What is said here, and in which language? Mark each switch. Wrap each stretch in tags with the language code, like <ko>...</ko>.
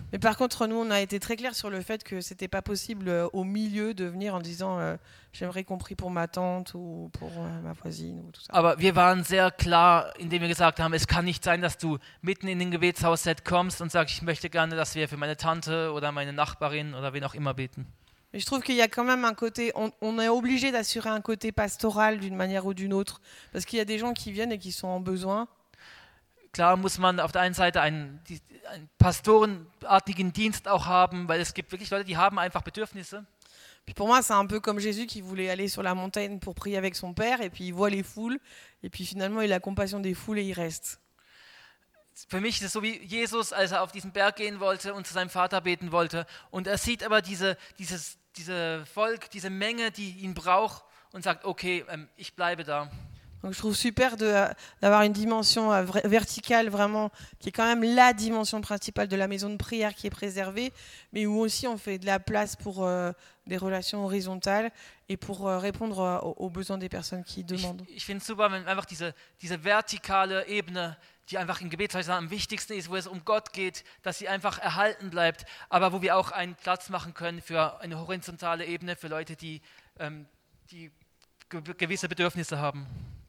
<fr>Mais par contre, nous, on a été très clair sur le fait que c'était pas possible au milieu de venir en disant, j'aimerais qu'on prie pour ma tante ou pour ma voisine ou tout ça.</fr> <de>Aber wir waren sehr klar, indem wir gesagt haben, es kann nicht sein, dass du mitten in den Gebetshausset kommst und sagst, ich möchte gerne, dass wir für meine Tante oder meine Nachbarin oder wen auch immer beten.</de> <fr>Mais je trouve qu'il y a quand même un côté, on est obligé d'assurer un côté pastoral d'une manière ou d'une autre, parce qu'il y a des gens qui viennent et qui sont en besoin.</fr> <de>Klar muss man auf der einen Seite einen pastorenartigen Dienst auch haben, weil es gibt wirklich Leute, die haben einfach Bedürfnisse.</de> <fr>Puis pour moi, c'est un peu comme Jésus qui voulait aller sur la montagne pour prier avec son père et puis il voit les foules et puis finalement il a compassion des foules et il reste.</fr> <de>Für mich ist es so wie Jesus, als er auf diesen Berg gehen wollte und zu seinem Vater beten wollte und er sieht aber diese Volk, diese Menge, die ihn braucht und sagt, okay, ich bleibe da.</de> <fr>Donc je trouve super d'avoir une dimension verticale vraiment, qui est quand même la dimension principale de la maison de prière qui est préservée, mais où aussi on fait de la place pour des relations horizontales et pour répondre aux besoins des personnes qui demandent.</fr> <de>Ich finde super, wenn einfach diese vertikale Ebene, die einfach im Gebetshaus am wichtigsten ist, wo es um Gott geht, dass sie einfach erhalten bleibt, aber wo wir auch einen Platz machen können für eine horizontale Ebene, für Leute, die gewisse Bedürfnisse haben.</de>